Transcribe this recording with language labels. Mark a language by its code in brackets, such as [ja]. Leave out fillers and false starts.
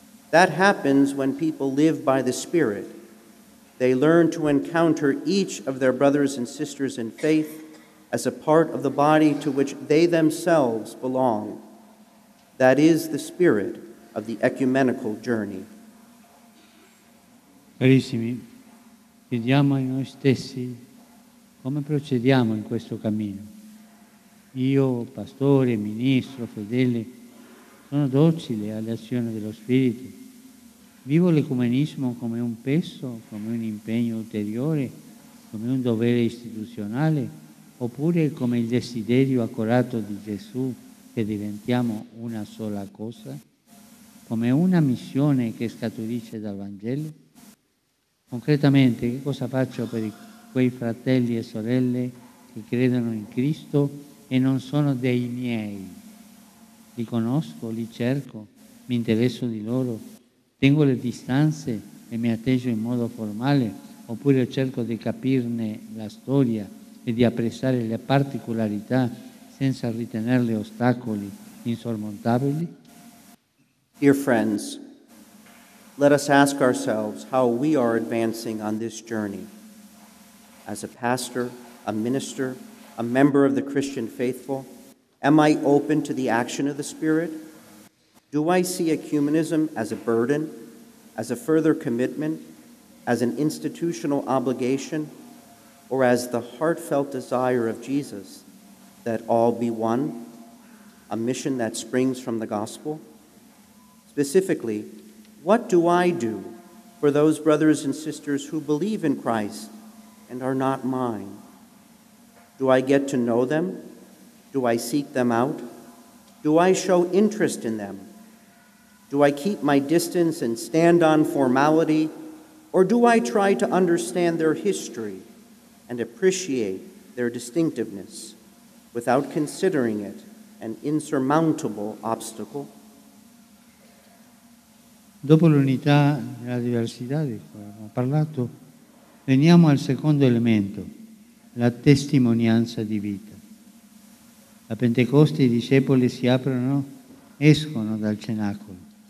[en] That happens when people live by the Spirit. They learn to encounter each of their brothers and sisters in faith as a part of the body to which they themselves belong. That is the spirit of the ecumenical journey. [it] Carissimi, chiediamo a noi stessi come procediamo in questo cammino. Io, pastore, ministro, fedele, sono docile alle azioni dello Spirito. Vivo l'ecumenismo come un peso, come un impegno ulteriore, come un dovere istituzionale, oppure come il desiderio accorato di Gesù che diventiamo una sola cosa, come una missione che scaturisce dal Vangelo? Concretamente, che cosa faccio per quei fratelli e sorelle che credono in Cristo e non sono dei miei? Li conosco, li cerco, mi interesso di loro, tengo le distanze e mi atteggio in modo formale, oppure cerco di capirne la storia e di apprezzare le particolarità senza ritenerle ostacoli insormontabili? [en] Dear friends, let us ask ourselves how we are advancing on this journey. As a pastor, a minister, a member of the Christian faithful, am I open to the action of the Spirit? Do I see ecumenism as a burden, as a further commitment, as an institutional obligation, or as the heartfelt desire of Jesus that all be one, a mission that springs from the gospel? Specifically, what do I do for those brothers and sisters who believe in Christ and are not mine? Do I get to know them? Do I seek them out? Do I show interest in them? Do I keep my distance and stand on formality? Or do I try to understand their history and appreciate their distinctiveness without considering it an insurmountable obstacle. [it] Dopo l'unità nella diversità di cui abbiamo parlato, veniamo al secondo elemento, la testimonianza di vita. A Pentecoste i discepoli si aprono, escono dal cenacolo.